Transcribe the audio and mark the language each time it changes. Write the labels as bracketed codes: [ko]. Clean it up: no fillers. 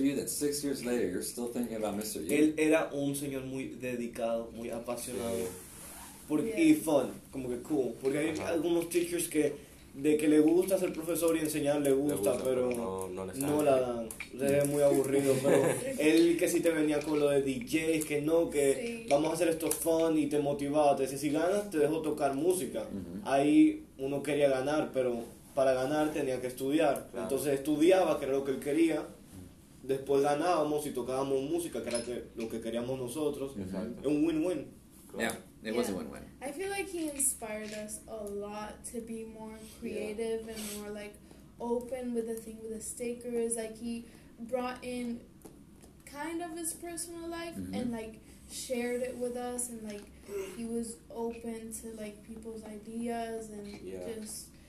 [en] Yu that 6 years later you're still thinking about Mr. Yu? [es] Él era un señor muy dedicado, muy apasionado, y fun, como que cool. Porque hay algunos teachers que, de que le gusta ser profesor y enseñar, le gusta pero no la dan. O sea, es muy aburrido, pero él que sí te venía con lo de DJs, que no, que vamos a hacer esto fun y te motivaba. Te decía, si ganas, te dejo tocar música. Mm-hmm. Ahí uno quería ganar, pero... Para ganar tenía que estudiar, claro. Entonces estudiaba, que era lo que él quería, después ganábamos y tocábamos música, que era lo que queríamos nosotros. Exacto. Es un win-win. [en] Was a win-win. I feel like he inspired us a lot to be more creative and more, like, open with the thing with the stickers. Like, he brought in kind of his personal life and, like, shared it with us, and, like, he was open to, like, people's ideas and just...